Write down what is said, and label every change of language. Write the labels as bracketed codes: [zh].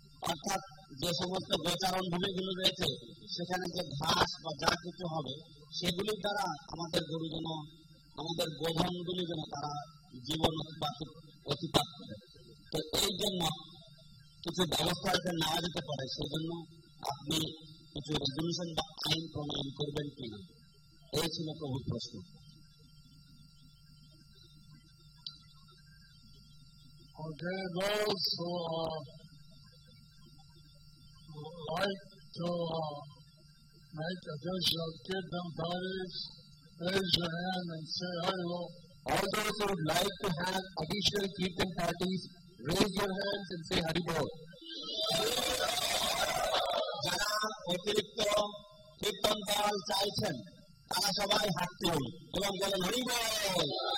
[bn] অর্থাৎ যে সমস্ত গোচারণ ভূমিগুলো রয়েছে সেখানে যে ঘাস বা যা কিছু হবে সেগুলির দ্বারা আমাদের গরু যেন, আমাদের গোধন গুলি যেন তারা জীবন অতিপাত করে। তো এই জন্য কিছু ব্যবস্থা যাতে নেওয়া যেতে পারে সেজন্য আপনি কিছু রেজলিউশন বা আইন প্রণয়ন করবেন কিনা, এই ছিল প্রভুর প্রশ্ন। [en] Okay, those who would like to make additional kirtan parties, raise your hand and say hello. All those who would like to have additional kirtan parties, raise your hands and say Hari Bol. [bn] যারা অতিরিক্ত কীর্তন দল চাইছেন তারা সবাই হাত তুলুন এবং বলেন হরি বল।